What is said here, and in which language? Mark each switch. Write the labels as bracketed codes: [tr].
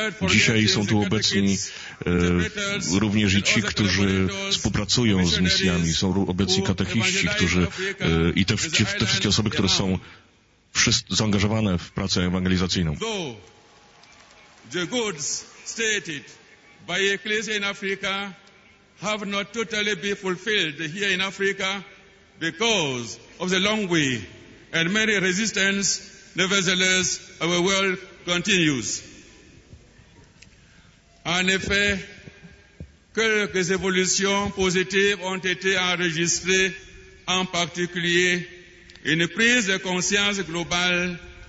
[pl] Dzisiaj są tu obecni również i ci, którzy współpracują z misjami. Są obecni katechiści, którzy i te wszystkie osoby, które są zaangażowane w pracę ewangelizacyjną. [en] The goods stated by Ecclesia in Africa have not totally been fulfilled here in Africa because of the long way and many resistance. Nevertheless, our world continues. [fr] En effet, quelques évolutions positives ont été enregistrées, en particulier une prise de conscience globale.